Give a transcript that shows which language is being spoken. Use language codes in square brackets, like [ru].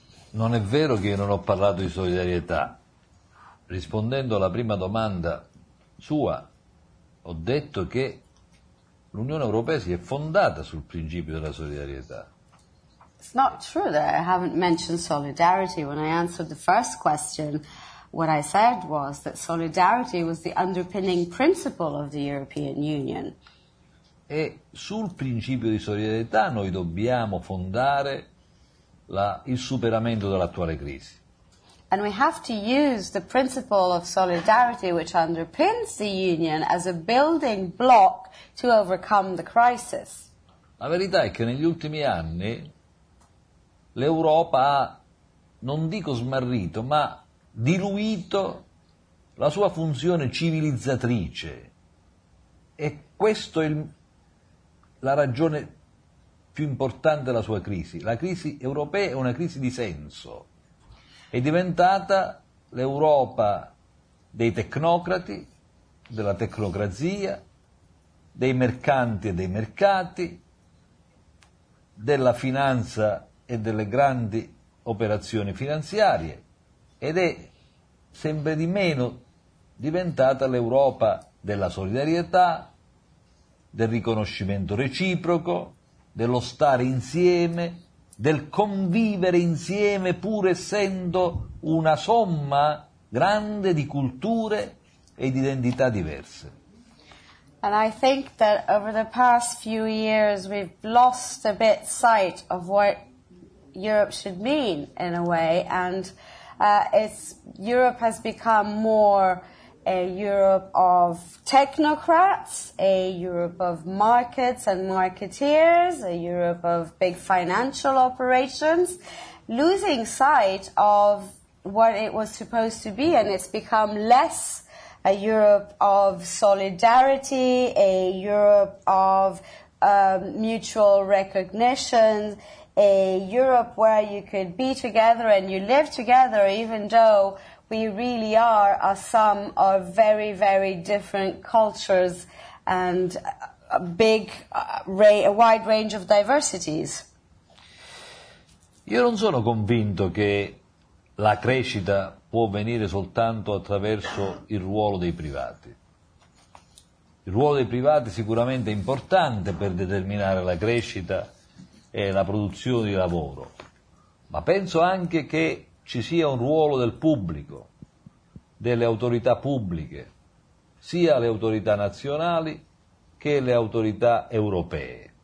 [it] Non è vero che io non ho parlato di solidarietà. Rispondendo alla prima domanda sua, ho detto che l'Unione Europea si è fondata sul principio della solidarietà. [en] It's not true that I haven't mentioned solidarity. When I answered the first question, what I said was that solidarity was the underpinning principle of the European Union. [it] E sul principio di solidarietà noi dobbiamo fondare il superamento dell'attuale crisi. [en] And we have to use the principle of solidarity which underpins the union as a building block to overcome the crisis. [it] La verità è che negli ultimi anni l'Europa ha, non dico smarrito, ma diluito la sua funzione civilizzatrice. E questo è la ragione più importante della sua crisi. La crisi europea è una crisi di senso. È diventata l'Europa dei tecnocrati, della tecnocrazia, dei mercanti e dei mercati, della finanza e delle grandi operazioni finanziarie, ed è sempre di meno diventata l'Europa della solidarietà, del riconoscimento reciproco, dello stare insieme, del convivere insieme, pur essendo una somma grande di culture e di identità diverse. [en] And I think that over the past few years we've lost a bit sight of what Europe should mean in a way, and Europe has become more a Europe of technocrats, a Europe of markets and marketeers, a Europe of big financial operations, losing sight of what it was supposed to be, and it's become less a Europe of solidarity, a Europe of mutual recognition, a Europe where you could be together and you live together, even though we really are a sum of very, very different cultures and a wide range of diversities. [it] Io non sono convinto che la crescita può venire soltanto attraverso il ruolo dei privati. Il ruolo dei privati sicuramente è importante per determinare la crescita e la produzione di lavoro, ma penso anche che ci sia un ruolo del pubblico, delle autorità pubbliche, sia le autorità nazionali che le autorità europee.